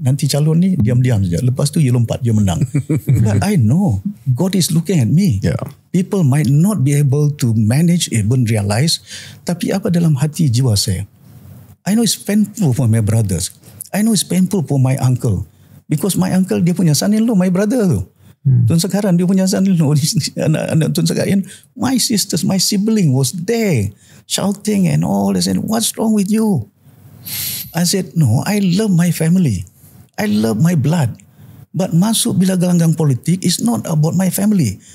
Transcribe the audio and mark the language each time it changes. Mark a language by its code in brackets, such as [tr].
[ms] Nanti calon ni, diam-diam saja. Lepas tu, you lompat, you menang. [en] But I know, God is looking at me. Yeah. People might not be able to manage, even realize, [ms] tapi apa dalam hati jiwa saya. [en] I know it's painful for my brothers. I know it's painful for my uncle. Because my uncle, [ms] dia punya [en] son-in-law, my brother tu. [ms] Tun sekarang, dia punya son-in-law, anak-anak Tun sekarang. [en] My sisters, my sibling was there, shouting and all. I said, what's wrong with you? I said, no, I love my family. I love my blood. But [ms] masuk bila gelanggang politik, [en] it's not about my family.